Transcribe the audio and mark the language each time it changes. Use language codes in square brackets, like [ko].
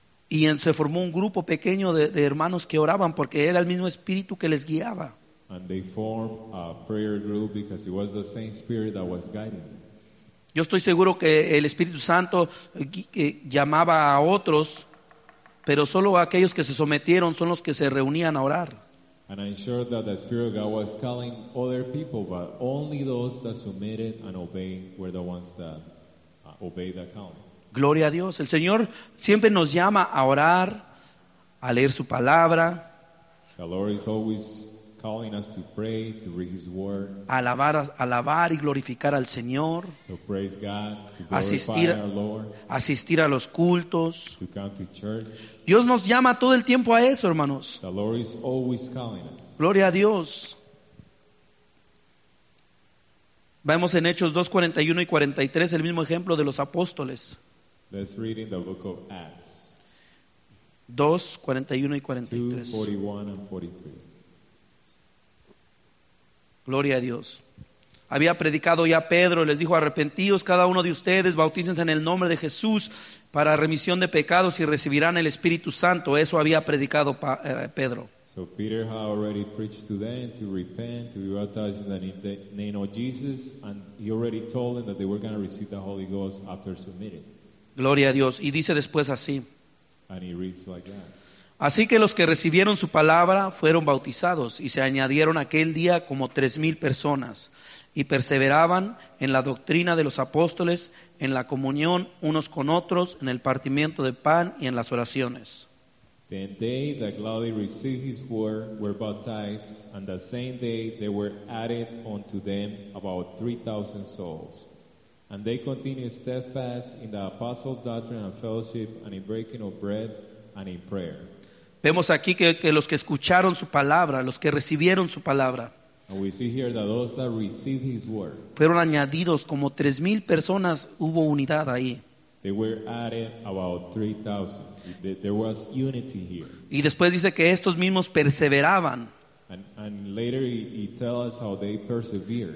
[es] Y se formó un grupo pequeño de hermanos que oraban porque era el mismo Espíritu que les guiaba. [en] And they formed a prayer group because it was the same Spirit that was guiding them. [es] Yo estoy seguro que el Espíritu Santo llamaba a otros, pero solo aquellos que se sometieron son los que se reunían a orar. [en] And I'm sure that the Spirit of God was calling other people, but only those that submitted and obeyed were the ones that obeyed the calling. [es] Gloria a Dios. El Señor siempre nos llama a orar, a leer su palabra. [en] The Lord is always calling us to pray, to read his word, [es] alabar y glorificar al Señor, [en] to praise God, to glorify [es] asistir, [en] our Lord, [es] asistir a los cultos, [en] to come to church. [es] Dios nos llama todo el tiempo a eso, hermanos. [en] The Lord is always calling us. [es] Gloria a Dios. Vemos en Hechos 2, 41 y 43 el mismo ejemplo de los apóstoles. [en] Let's read in the book of Acts. [es] 2, 41 y 43. [en] 2, 41 and 43. [es] Gloria a Dios. Había predicado ya Pedro, les dijo: arrepentíos cada uno de ustedes, bautícense en el nombre de Jesús para remisión de pecados y recibirán el Espíritu Santo. Eso había predicado Pedro. [en] So Peter had already preached to them to repent, to be baptized in the name of Jesus, and he already told them that they were going to receive the Holy Ghost after submitting. [es] Gloria a Dios. Y dice después así. [en] And he reads like that. [es] Así que los que recibieron su palabra fueron bautizados y se añadieron aquel día como 3,000 personas y perseveraban en la doctrina de los apóstoles, en la comunión unos con otros, en el partimiento de pan y en las oraciones. [en] Then they that gladly received his word were baptized, and the same day there were added unto them about 3,000 souls. And they continued steadfast in the apostles' doctrine and fellowship, and in breaking of bread and in prayer. [es] Vemos aquí que los que escucharon su palabra, los que recibieron su palabra, [en] we see here that those that received his word, [es] fueron añadidos como 3,000 personas, hubo unidad ahí. [en] They were added about 3,000. There was unity here. [es] Y después dice que estos mismos perseveraban. [en] And, And later he tell us how they persevered.